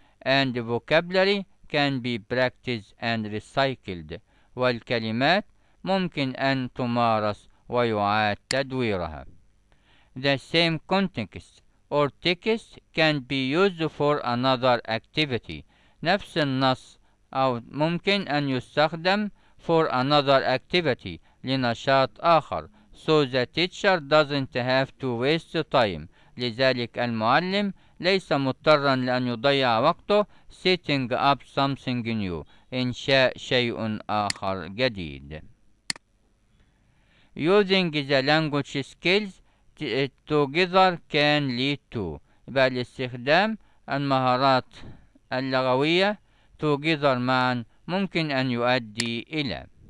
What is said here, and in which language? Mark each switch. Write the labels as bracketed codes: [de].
[en] And vocabulary can be practiced and recycled [ar] والكلمات ممكن أن تمارس ويعاد تدويرها. [en] The same context or text can be used for another activity. [ar] نفس النص أو ممكن أن يستخدم [en] for another activity [ar] لنشاط آخر. [en] So the teacher doesn't have to waste time. [ar] لذلك المعلم ليس مضطرا لأن يضيع وقته [en] setting up something new [ar] إنشاء شيء آخر جديد. [en] Using the language skills together can lead to [ar] بل استخدام المهارات اللغوية [en] together [ar] معا ممكن أن يؤدي إلى.